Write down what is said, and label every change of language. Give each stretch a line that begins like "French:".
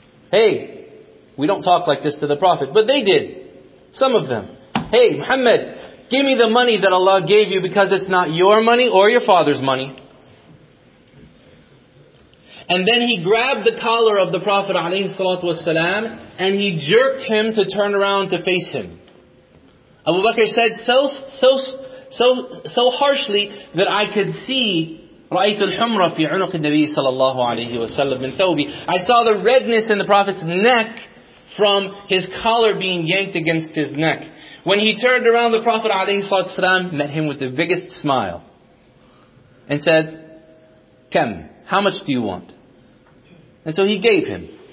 English: Hey, we don't talk like this to the Prophet, but they did. Some of them. Hey, Muhammad, give me the money that Allah gave you because it's not your money or your father's money. And then he grabbed the collar of the Prophet ﷺ and he jerked him to turn around to face him. Abu Bakr said so harshly that I could see
Arabic: رأيت الحمرة في عنق النبي صلى الله عليه وسلم من ثوبي.
English: I saw the redness in the Prophet's neck from his collar being yanked against his neck. When he turned around, the Prophet ﷺ met him with the biggest smile and said, Kam, how much do you want? And so he gave him.